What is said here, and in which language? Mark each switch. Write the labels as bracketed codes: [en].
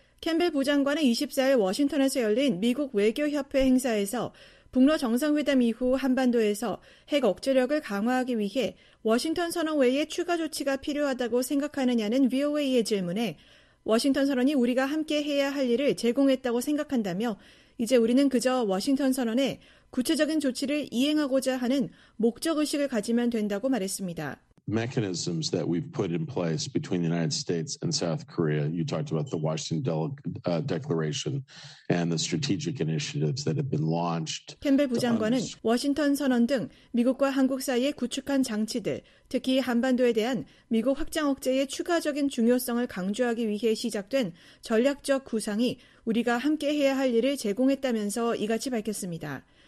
[ko] 캠벨 부장관은 24일 워싱턴에서 열린 미국 외교협회 행사에서 북러 정상회담 이후 한반도에서 핵 억제력을 강화하기 위해 워싱턴 선언 외에 추가 조치가 필요하다고 생각하느냐는 VOA의 질문에 워싱턴 선언이 우리가 함께 해야 할 일을 제공했다고 생각한다며 이제 우리는 그저 워싱턴 선언에 구체적인 조치를 이행하고자 하는 목적의식을 가지면 된다고 말했습니다. [en] Mechanisms that we've put in place between the United States and South Korea. You talked about the Washington Declaration and the strategic initiatives that have been launched. [ko] 캠벨 부장관은 워싱턴 선언 등 미국과 한국 사이에 구축한 장치들, 특히 한반도에 대한 미국 확장 억제의 추가적인 중요성을 강조하기 위해 시작된 전략적 구상이 우리가 함께 해야 할 일을 제공했다면서 이같이 밝혔습니다.